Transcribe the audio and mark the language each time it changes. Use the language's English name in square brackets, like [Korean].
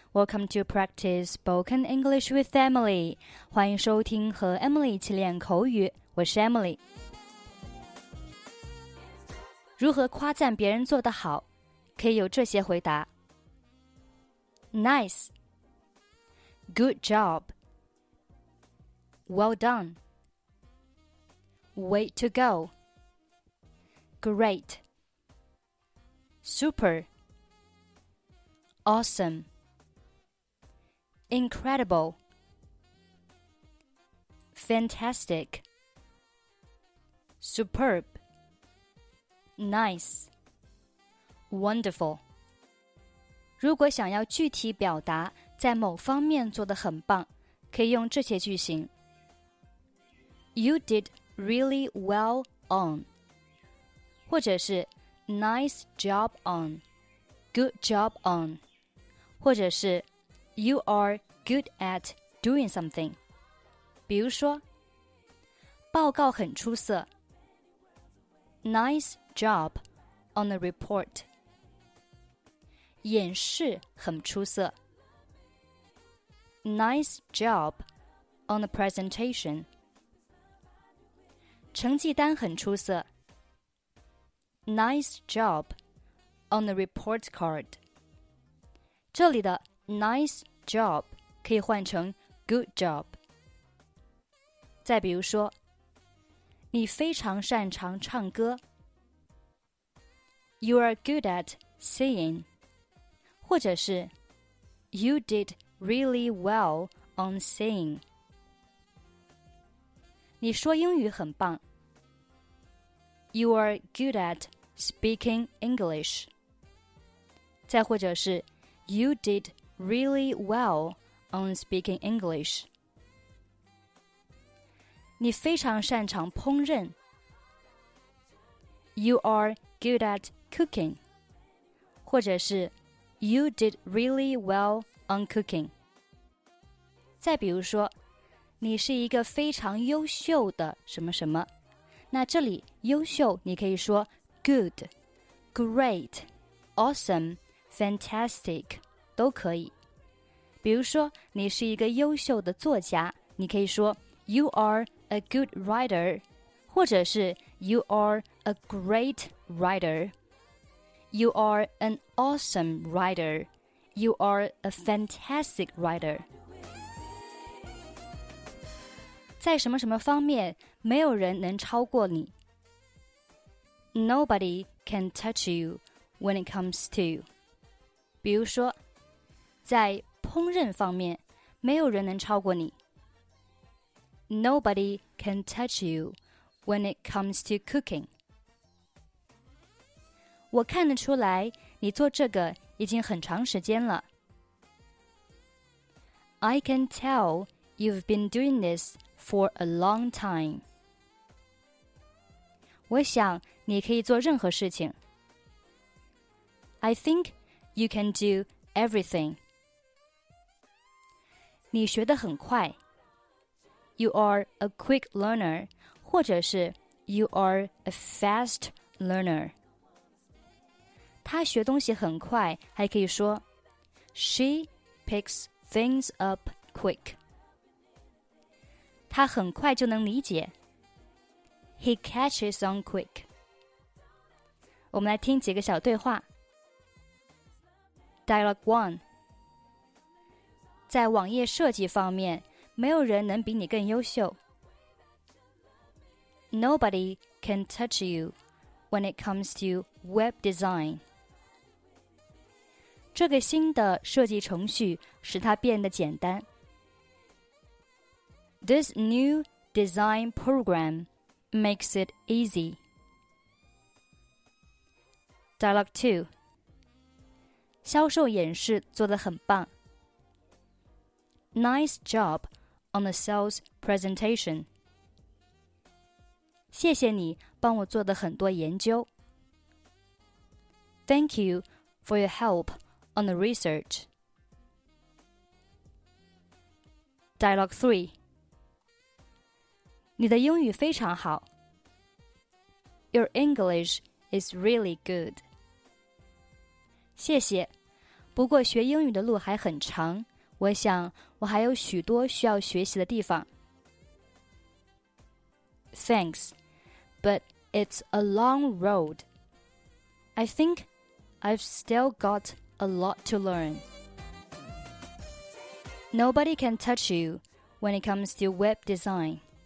[English] Welcome to Practice Spoken English with Emily. [Chinese] 欢迎收听和 Emily 一起练口语。我是 Emily。如何夸赞别人做得好？可以有这些回答。 [English] Nice. Good job. Well done. Way to go. Great. Super. Awesome. Incredible. Fantastic. Superb. Nice. Wonderful. [Chinese] 如果想要具体表达在某方面做得很棒，可以用这些句型。 [English] You did really well on. [Chinese] 或者是 [English] Nice job on. Good job on. [Chinese] 或者是 [English] You are good at doing something. [Chinese] 比如说报告很出色 [English] Nice job on the report. [Chinese] 演示很出色 [English] Nice job on the presentation. [Chinese] 成绩单很出色 [English] Nice job on the report card. [Chinese] 这里的 nice job 可以换成 good job。再比如说，你非常擅长唱歌。 [English] You are good at singing. [Chinese] 或者是 [English] You did really well on singing. [Chinese] 你说英语很棒。 [English] You are good at speaking English. [Chinese] 再或者是 [English] You did really well on speaking English. [Chinese] 你非常擅长烹饪。 [English] You are good at cooking. [Chinese] 或者是 [English] You did really well on cooking. [Chinese] 再比如说，你是一个非常优秀的什么什么。那这里优秀你可以说 [English] good, great, awesome, fantastic. [Chinese] 都可以。比如说你是一个优秀的作家，你可以说 [English] You are a good writer, [Chinese] 或者是 [English] You are a great writer. You are an awesome writer. You are a fantastic writer. [Chinese] 在什么什么方面没有人能超过你。 [English] Nobody can touch you when it comes to you. [Chinese] 比如说在烹饪方面，没有人能超过你。 [English] Nobody can touch you when it comes to cooking. [Chinese] 我看得出来，你做这个已经很长时间了。 [English] I can tell you've been doing this for a long time. [Chinese] 我想你可以做任何事情。 [English] I think you can do everything. [Chinese] 你学得很快。 [English] You are a quick learner, [Chinese] 或者是 [English] You are a fast learner. [Chinese] 他学东西很快，还可以说 [English] She picks things up quick. [Chinese] 他很快就能理解。 [English] He catches on quick. [Chinese] 我们来听几个小对话。 [English] Dialogue 1 [Chinese] 在网页设计方面，没有人能比你更优秀。 [English] Nobody can touch you when it comes to web design. [Chinese] 这个新的设计程序使它变得简单。 [English] This new design program makes it easy. Dialogue 2. [Chinese] 销售演示做得很棒。 [English] Nice job on the sales presentation. [Chinese] 谢谢你帮我做的很多研究。 [English] Thank you for your help on the research. Dialogue 3. [Chinese] 你的英语非常好。 [English] Your English is really good. [Chinese] 谢谢，不过学英语的路还很长，我想我还有许多需要学习的地方。 [English] Thanks, but it's a long road. I think I've still got a lot to learn. Nobody can touch you when it comes to web design.